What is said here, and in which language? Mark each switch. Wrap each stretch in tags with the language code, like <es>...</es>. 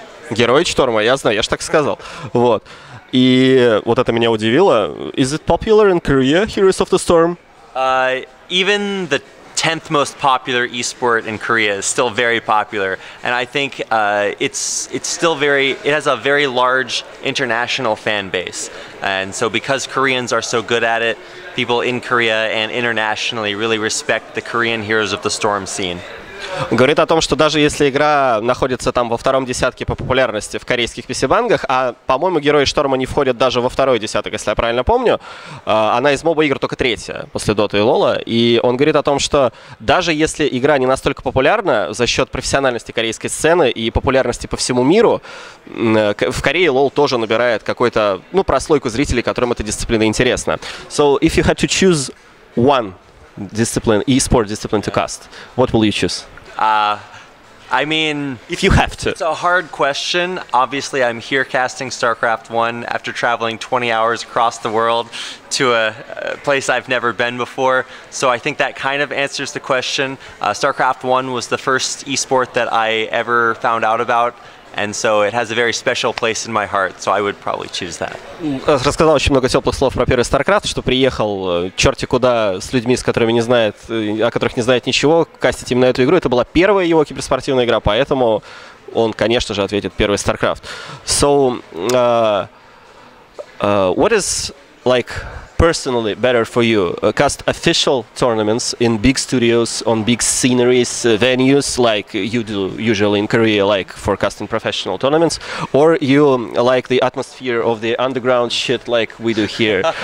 <ru>Герои Шторма, я знаю, я же так сказал. Вот. И вот это меня удивило.</ru> <en>Is it popular in Korea, Heroes of the Storm? Even the 10th most popular esport in Korea is still very popular, and I think it has a very large international fan base, and so because Koreans are so good at it, people in Korea and internationally really respect the Korean Heroes of the Storm scene.</en> <ru>Говорит о том, что даже если игра находится там во втором десятке по популярности в корейских PC-бангах, а, по-моему, Герои Шторма не входят даже во второй десяток, если я правильно помню, она из моба-игр только третья после Dota и Лола, и он говорит о том, что даже если игра не настолько популярна за счет профессиональности корейской сцены и популярности по всему миру, в Корее Лол тоже набирает какую-то, ну, прослойку зрителей, которым эта дисциплина интересна.</ru> <en>So, if you had to choose one discipline, e-sport discipline to cast, what will you choose? I mean, if you have to. It's a hard question. Obviously, I'm here casting StarCraft 1 after traveling 20 hours across the world to a place I've never been before. So I think that kind of answers the question. StarCraft 1 was the first e-sport that I ever found out about. And so it has a very special place in my heart, so I would probably choose that.</en> <ru>Рассказал очень много теплых слов про первый StarCraft, что приехал черти куда с людьми, с которыми не знает, о которых не знает ничего, кастить именно эту игру. Это была первая его киберспортивная игра, поэтому он, конечно же, ответит первый StarCraft.</ru> <en>So, what is, like, personally better for you? Cast official tournaments in big studios, on big sceneries, venues, like you do usually in Korea, like for casting professional tournaments, or you like the atmosphere of the underground shit like we do here?</en>